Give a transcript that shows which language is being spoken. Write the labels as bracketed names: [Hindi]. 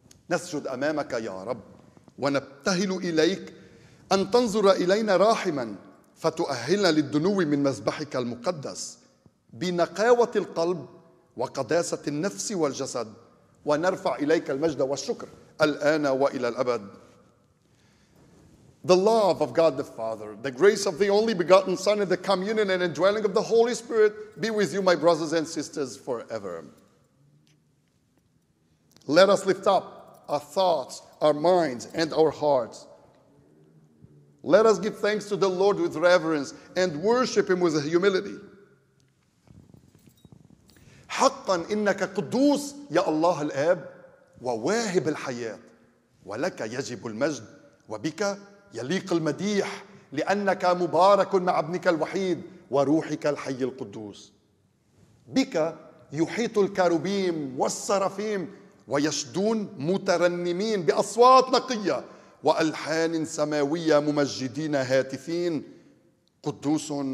[Arabic] نسجد أمامك يا رب ونبتهل إليك أن تنظر إلينا راحما فتؤهلنا للدنو من مذبحك المقدس بنقاوة القلب وقداسة النفس والجسد ونرفع إليك المجد والشكر الآن وإلى الأبد. [English] The love of God the Father, the grace of the only begotten Son, and the communion and indwelling of the Holy Spirit be with you, my brothers and sisters, forever. Let us lift up our thoughts, our minds, and our hearts. Let us give thanks to the Lord with reverence and worship Him with humility. [Arabic] حقا إنك قدوس يا الله الآب وواهب الحياة ولك يجب المجد وبك يليق المديح لأنك مبارك مع ابنك الوحيد وروحك الحي القدوس بك يحيط الكروبيم والسرافيم ويشدون مترنمين بأصوات نقية وألحان سماوية ممجدين هاتفين قدوس